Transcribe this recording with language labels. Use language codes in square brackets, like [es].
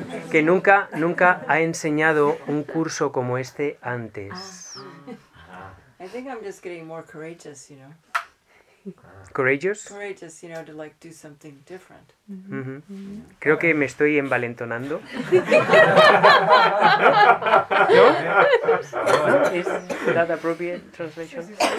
[es] Que nunca ha enseñado un curso como este antes. [en] I think I'm just getting more courageous, you know. Courageous? Courageous, you know, to like do something different. [es] Creo que me estoy envalentonando. ¿No? [en] Is that appropriate translation?